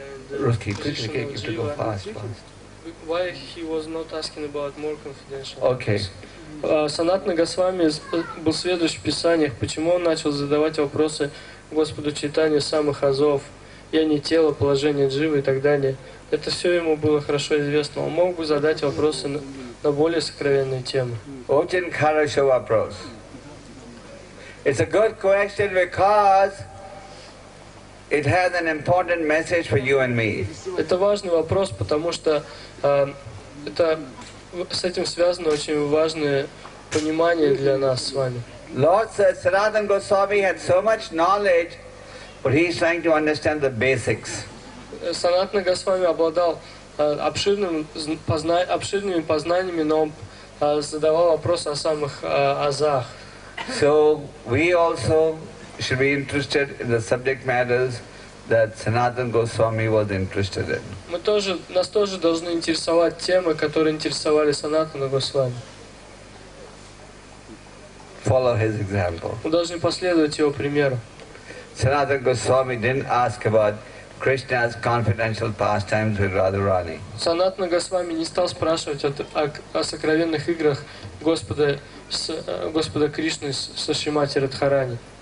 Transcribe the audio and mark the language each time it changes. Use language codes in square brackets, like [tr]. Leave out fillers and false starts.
[en] Ruth, keep pushing the cake, you have to go fast, fast. Why he was not asking about more confidential? Okay. [ru] Санатна Госвами был сведущ в писаниях. Почему он начал задавать вопросы Господу Чайтанье самых азов? Я не тело, положение дживы и так далее. Это все ему было хорошо известно. Он мог бы задать вопросы на более сокровенные темы. Очень хороший вопрос. [en] It's a good question because it has an important message for you and me. [ru] Это важный вопрос, потому что это с этим связано очень важное понимание для нас с вами. [en] Lord Sanatana Goswami had so much knowledge, but he's trying to understand the basics. [ru] Санатана Госвами обладал обширными познаниями, но он задавал вопрос о самых азах. [en] So we also should be interested in the subject matters that Sanatana Goswami was interested in. [ru] Мы тоже, нас тоже должны интересовать темы, которые интересовали Санатана Госвами. [en] Follow his example. [ru] Мы должны последовать его примеру. [en] Sanatana Goswami didn't ask about Krishna's confidential pastimes with Radharani. [ru] Санатана Госвами не стал спрашивать о сокровенных играх Господа Кришны со Шримати Радхарани.